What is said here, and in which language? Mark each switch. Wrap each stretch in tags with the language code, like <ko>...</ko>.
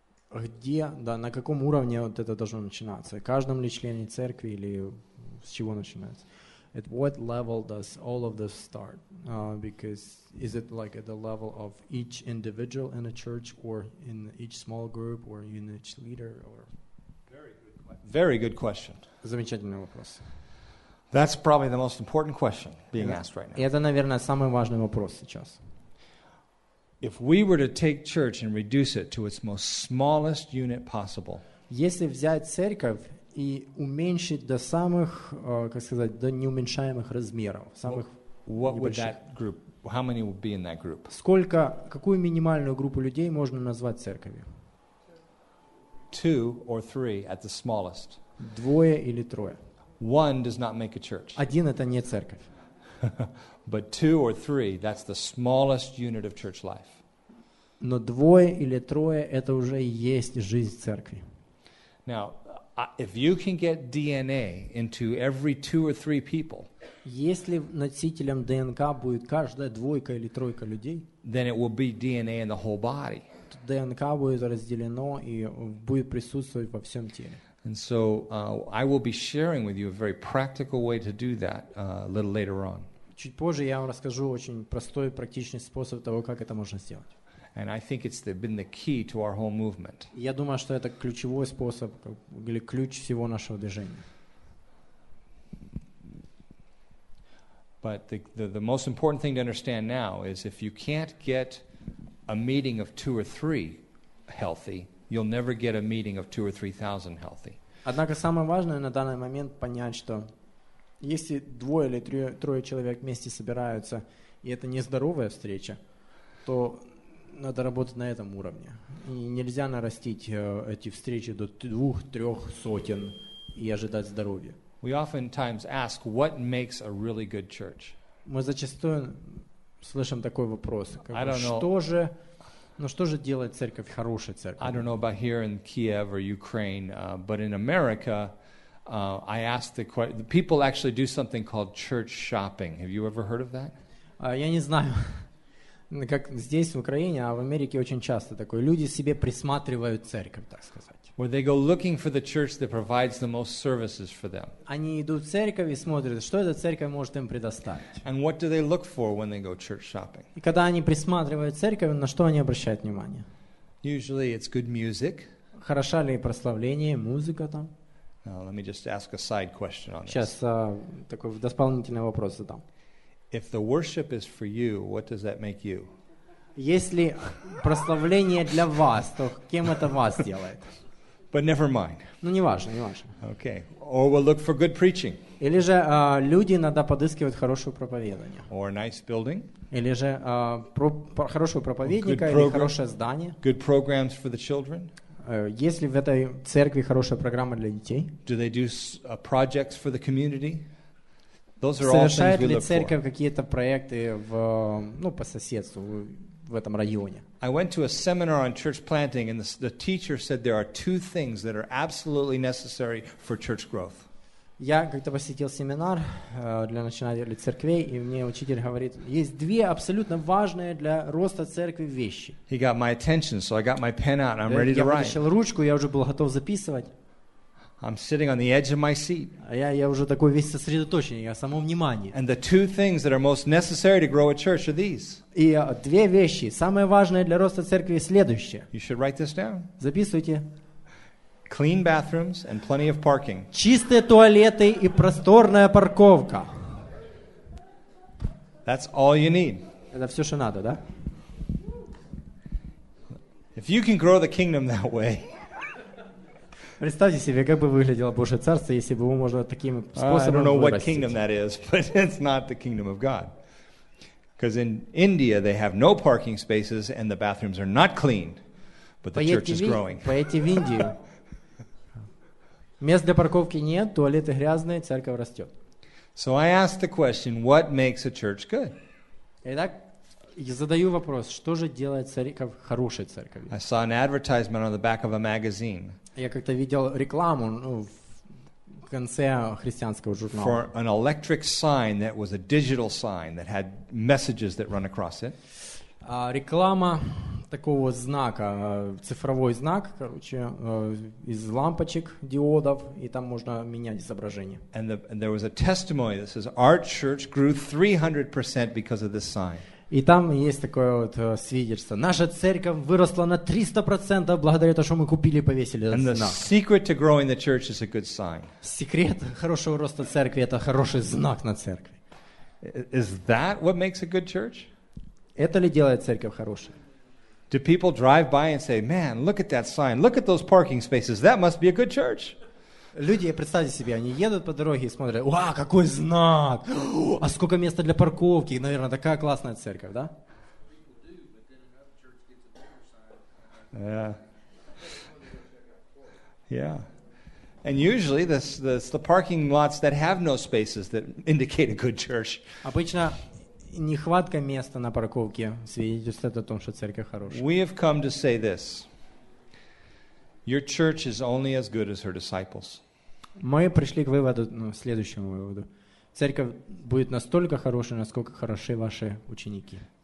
<ru>Где, да, на каком уровне вот это должно начинаться? Каждом ли члене церкви или с чего начинается?</ru> <en>At what level does all of this start? Because is it like at the level of each individual in a church or in each small group or in each leader? Or? Very good question.</en> <ru>Замечательный вопрос.</ru> <en>That's probably the most important question being asked right now.</en> <ru>Это, наверное, самый важный вопрос сейчас.</ru> <en>If we were to take church and reduce it to its most smallest unit possible.</en> <ru>Если взять церковь и уменьшить до самых, как сказать, до неуменьшаемых размеров, самых небольших.</ru> <en>How many would be in that group?</en> <ru>Сколько, какую минимальную группу людей можно назвать церковью?</ru> <en>Two or three at the smallest.</en> <ru>Двое или трое.</ru> <en>One does not make a church.</en> <ru>Один это не церковь.</ru> <en>But two or three, that's the smallest unit of church life.</en> <ru>Но двое или трое – это уже есть жизнь церкви.</ru> <en>Now, if you can get DNA into every two or three people,</en> <ru>если носителем ДНК будет каждая двойка или тройка людей,</ru> <en>then it will be DNA in the whole body.</en> <ru>ДНК будет разделено и будет присутствовать во всем теле.</ru> <en>And so I will be sharing with you a very practical way to do that a little later on.</en> <ru>Чуть позже я вам расскажу очень простой, практичный способ того, как это можно сделать.</ru> <en>And I think it's been the key to our whole movement.</en> <ru>Я думаю, что это ключевой способ, или ключ всего нашего движения.</ru> <en>But the most important thing to understand now is if you can't get a meeting of two or three healthy, you'll never get a meeting of 2,000 or 3,000 healthy.</en> <ru>Однако самое важное на данный момент понять, что если двое или трое человек вместе собираются, и это нездоровая встреча, то надо работать на этом уровне. И нельзя нарастить эти встречи до 2-3 сотен и ожидать здоровья.</ru> <en>We oftentimes ask, what makes a really good church?</en> <ru>Мы зачастую слышим такой вопрос, как бы, что же делает церковь хорошей церковью?</ru> <en>I don't know about here in Kiev or Ukraine, but in America, I asked the question. People actually do something called church shopping. Have you ever heard of that?</en> <ru>Я не знаю, как здесь в Украине, а в Америке очень часто такое. Люди себе присматривают церковь, так сказать.</ru> <en>where they go looking for the church that provides the most services for them.</en> <ru>Они идут в церковь и смотрят, что эта церковь может им предоставить.</ru> <en>And what do they look for when they go church shopping?</en> <ru>И когда они присматривают церковь, на что они обращают внимание?</ru> <en>Usually it's good music.</en> <ru>Хороша ли прославление, музыка там?</ru> <en>Now, let me just ask a side question on this.</en> <ru>Сейчас такой дополнительный вопрос задам.</ru> <en>If the worship is for you, what does that make you?</en> <ru>Если прославление для вас, то кем это вас делает?</ru> <en>But never mind.</en> <ru>Ну не важно, не важно.</ru> <en>Okay. Or we'll look for good preaching.</en> <ru>Или же люди иногда подыскивают хорошее проповедование.</ru> <en>Or a nice building.</en> <ru>Или же хорошего проповедника или хорошее здание.</ru> <en>Good programs for the children.</en> <ru>Есть ли в этой церкви хорошая программа для детей?</ru> <en>Do they do projects for the community? Those are all things we look for.</en> <ru>Совершает ли церковь какие-то проекты в по соседству? В этом районе.</ru> <en>I went to a seminar on church planting, and the teacher said there are two things that are absolutely necessary for church growth.</en> <ru>Я как-то посетил семинар для начинателей церквей, и мне учитель говорит, есть две абсолютно важные для роста церкви вещи.</ru> <en>He got my attention, so I got my pen out, and I'm ready to write.</en> <ru>Я вытащил ручку, я уже был готов записывать.</ru> <en>I'm sitting on the edge of my seat.</en> <ru>Я уже такой весь сосредоточенный, я в самом внимании.</ru> <en>And the two things that are most necessary to grow a church are these.</en> <ru>И две вещи. Самое важное для роста церкви следующее.</ru> <en>You should write this down.</en> <ru>Записывайте.</ru> <en>Clean bathrooms and plenty of parking.</en> <ru>Чистые туалеты и просторная парковка.</ru> <en>That's all you need.</en> <ru>Это все, что надо, да?</ru> <en>If you can grow the kingdom that way.</en> <ru>Представьте себе, как бы выглядело Божье Царство, если бы его можно таким способом вырастить.</ru> <en>I don't know what kingdom that is, but it's not the kingdom of God. Because in India they have no parking spaces and the bathrooms are not clean, but the church is growing.</en> <ru>Поедьте в Индию. Мест для парковки нет, туалеты грязные, церковь растет.</ru> <en>So I ask the question, what makes a church good?</en> <ru>Итак, я задаю вопрос, что же делает церковь хорошей церковью?</ru> <en>I saw an advertisement on the back of a magazine.</en> <ru>Я как-то видел рекламу в в конце христианского журнала.</ru> <en>For an electric sign that was a digital sign that had messages that run across it.</en> <ru>Реклама такого знака, цифровой знак, короче, из лампочек, диодов, и там можно менять изображение.</ru> <en>And there was a testimony that says our church grew 300% because of this sign.</en> <ru>И там есть такое вот свидетельство. Наша церковь выросла на 300% благодаря тому, что мы купили и повесили этот знак.</ru> <en>And the secret to growing the church is a good sign.</en> <ru>Секрет хорошего роста церкви – это хороший знак на церкви.</ru> <en>Is that what makes a good church?</en> <ru>Это ли делает церковь хорошей?</ru> <en>Do people drive by and say, man, look at that sign, look at those parking spaces, that must be a good church.</en> <ru>Люди, представьте себе, они едут по дороге и смотрят, «Уа, какой знак! А сколько места для парковки! Наверное, такая классная церковь, да?»</ru> <en>Yeah. Yeah. And usually this the parking lots that have no spaces that indicate a good church.</en> <ru>Обычно нехватка места на парковке свидетельствует о том, что церковь хорошая.</ru> <en>We have come to say this. Your church is only as good as her disciples.</en> <ru>Мы пришли к выводу, следующему выводу. Церковь будет настолько хорошей, насколько хороши ваши ученики.</ru>